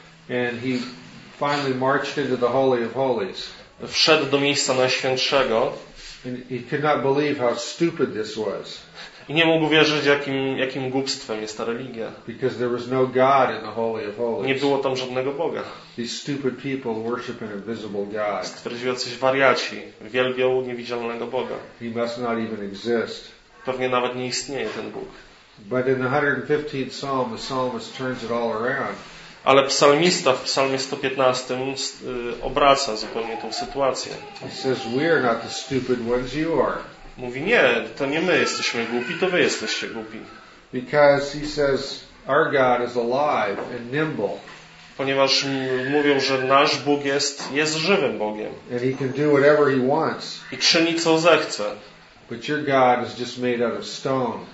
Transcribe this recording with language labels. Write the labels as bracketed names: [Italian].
[English] And he finally marched into the Holy of Holies. [Polish] Wszedł do miejsca najświętszego. [English] And he could not believe how stupid this was. [Polish] I nie mógł wierzyć, jakim głupstwem jest ta religia. [English] Because there was no God in the Holy of Holies. [Polish] Nie było tam żadnego Boga. [English] These stupid people worship an invisible God. [Polish] Stwierdził, jacyś wariaci wielbią niewidzialnego Boga. [English] He must not even exist. [Polish] Pewnie nawet nie istnieje ten Bóg. [English] But in the 115th Psalm, the psalmist turns it all around. [Polish] Ale psalmista w psalmie 115 obraca zupełnie tą sytuację. [English] He says, we are not the stupid ones you are. [Polish] Mówi, nie, to nie my jesteśmy głupi, to wy jesteście głupi. [English] Because he says, our God is alive and nimble. [Polish] Ponieważ mówią, że nasz Bóg jest żywym Bogiem. [English] And he can do whatever he wants. [Polish] I czyni, co zechce. [English] But your God is just made out of stone.